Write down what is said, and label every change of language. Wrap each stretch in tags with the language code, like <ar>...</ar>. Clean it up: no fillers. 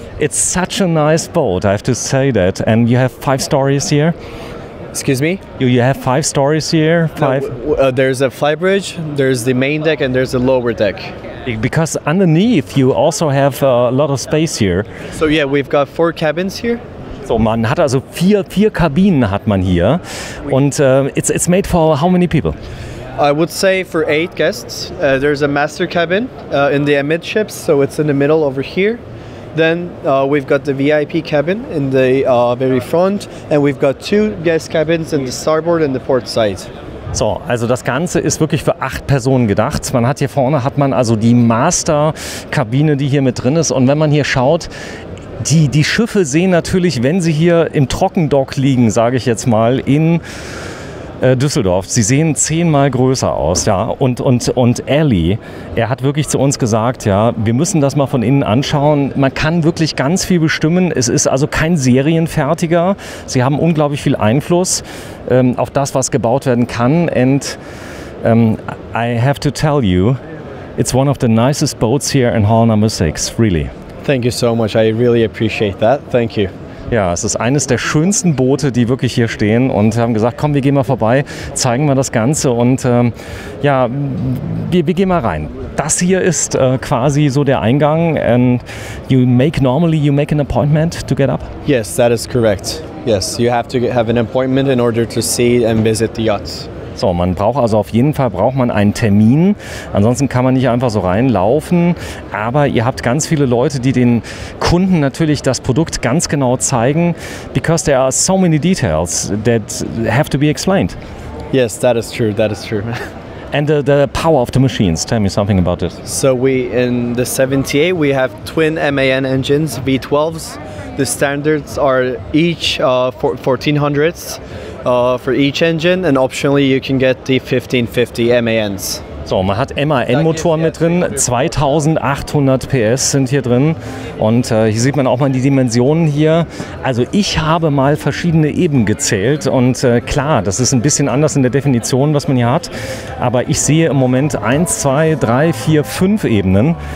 <en>It's such a nice boat, I have to say that. And you have 5 stories here. Excuse me? You have 5 stories here? There's a flybridge, there's the main deck, and there's the lower deck. Because underneath you also have a lot of space here. So yeah, we've got 4 cabins here.</en> <de>So man hat also 4 Kabinen hat man hier.</de> <en>Und it's made for how many people? I would say for 8 guests. There's a master cabin in the amidships, so it's in the middle over here. Then we've got the VIP cabin in the very front, and we've got 2 guest cabins in the starboard and the port side.</en> <de>So, also das Ganze ist wirklich für 8 Personen gedacht. Man hat hier vorne, hat man also die Master-Kabine, die hier mit drin ist. Und wenn man hier schaut, die Schiffe sehen natürlich, wenn sie hier im Trockendock liegen, sage ich jetzt mal, in Düsseldorf, sie sehen 10-mal größer aus, ja. Und Ellie, er hat wirklich zu uns gesagt, ja, wir müssen das mal von innen anschauen. Man kann wirklich ganz viel bestimmen. Es ist also kein Serienfertiger. Sie haben unglaublich viel Einfluss auf das, was gebaut werden kann.</de> <en>And I have to tell you, it's one of the nicest boats here in Hall Number 6, really. Thank you so much. I really appreciate that. Thank you.</en> <de>Ja, es ist eines der schönsten Boote, die wirklich hier stehen, und haben gesagt, komm, wir gehen mal vorbei, zeigen mal das Ganze und ja, wir gehen mal rein. Das hier ist quasi so der Eingang,</de> <en>and you make an appointment to get up? Yes, that is correct. Yes, you have to have an appointment in order to see and visit the yachts.</en> <de>So, man braucht also auf jeden Fall braucht man einen Termin, ansonsten kann man nicht einfach so reinlaufen, aber ihr habt ganz viele Leute, die den Kunden natürlich das Produkt ganz genau zeigen,</de> <en>because there are so many details that have to be explained. Yes, that is true. And the power of the machines, tell me something about it. So we in the 78 we have twin MAN engines, V12s. The standards are each 1400s. For each engine, and optionally you can get the 1550 MANs.</en> <de>So, man hat MAN-Motoren mit drin, 2800 PS sind hier drin, und hier sieht man auch mal die Dimensionen hier. Also ich habe mal verschiedene Ebenen gezählt, und klar, das ist ein bisschen anders in der Definition, was man hier hat, aber ich sehe im Moment 1, 2, 3, 4, 5 Ebenen.</de>